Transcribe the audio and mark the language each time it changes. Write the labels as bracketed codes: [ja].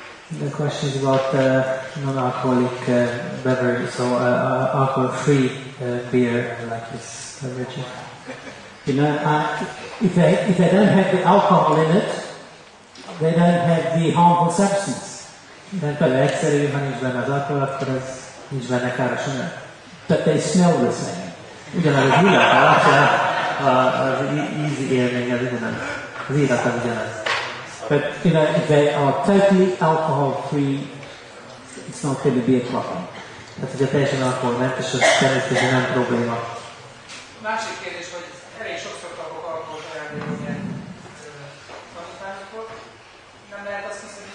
[en] The question is about non-alcoholic beverage, so alcohol-free beer, like this beverage. You know, if they don't have the alcohol in it, they don't have the harmful substance. Then, but they actually have nothing to do with alcohol, after that, nothing to do with carbonation. But they smell the same. [hu] Ugyanaz az illata, az ízi élmény az ugyanaz. Az illata ugyanaz. [en] But you know, if they are totally alcohol free, it's not going to be a problem. [hu] Tehát, hogy a teljesen alkoholmentes, az természetesen nem probléma. Másik kérdés, hogy elég sokszor kapok alkoholt ajándékot ilyen tanítványokon. Nem lehet azt hiszem, hogy